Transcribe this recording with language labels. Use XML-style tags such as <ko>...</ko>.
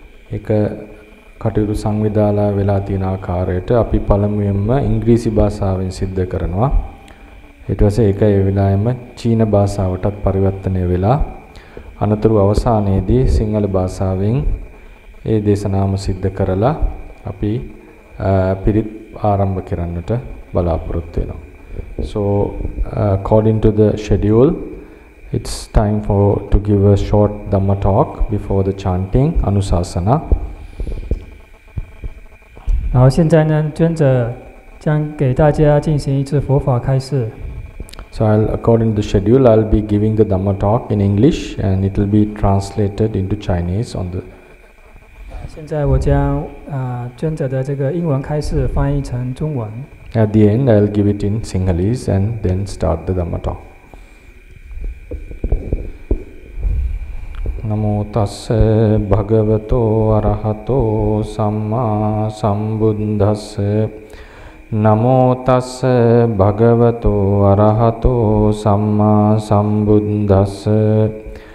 <si>එක කටයුතු සංවිධානය වෙලා තියෙන ආකාරයට අපි පළමුවෙන්ම ඉංග්‍රීසි භාෂාවෙන් සිද්ධ කරනවා ඊට පස්සේ ඒක ඒ වෙලාවෙම චීන භාෂාවටත් පරිවර්තනය වෙලා අනතුරු අවසානයේදී සිංහල භාෂාවෙන් ඒ දේශනාවම සිද්ධ කරලා අපි පිරිත් ආරම්භ කරන්නට බලාපොරොත්තු වෙනවා</si> <en>So according to the schedule, it's time for to give a short Dhamma talk before the chanting, Anusasana.</en> <zh>然后现在呢, 尊者 将给大家进行一次佛法开示。</zh> <en>So I'll, according to the schedule, I'll be giving the Dhamma talk in English and it will be translated into Chinese on the</en> <zh>现在我将, 尊者的这个英文开示翻译成中文。</zh> <en>At the end, I'll give it in Sinhalese and then start the Dhamma talk.</en> <pi>Namo tasse bhagavato arahato samma sambuddhasse. Namo tasse bhagavato arahato samma sambuddhasse.</pi>